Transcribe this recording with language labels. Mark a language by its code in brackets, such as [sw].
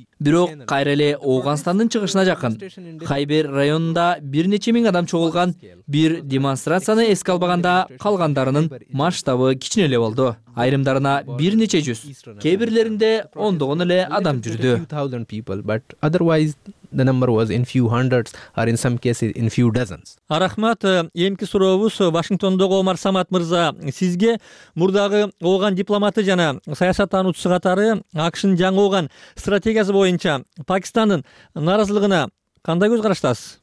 [ky] Бирок кайра эле Оогандын чыгышына жакын Хайбер районунда бир нече миң адам чогулган бир демонстрацияны эске албаганда калгандарынын масштабы кичине эле болду. Айрымдарына бир нече жүз, кээ бирлеринде ондогон эле адам жүрдү. [en] The number was in few hundreds or in some cases in few dozens. [ky] Рахмат. Эмки сурообуз Вашингтондогу Омар Самат мырза сизге. Мурдагы ооган дипломаты жана саясаттануучу катары АКШнын жаңы ооган стратегиясы боюнча Пакистандын нааразылыгына кандай көз караштасыз?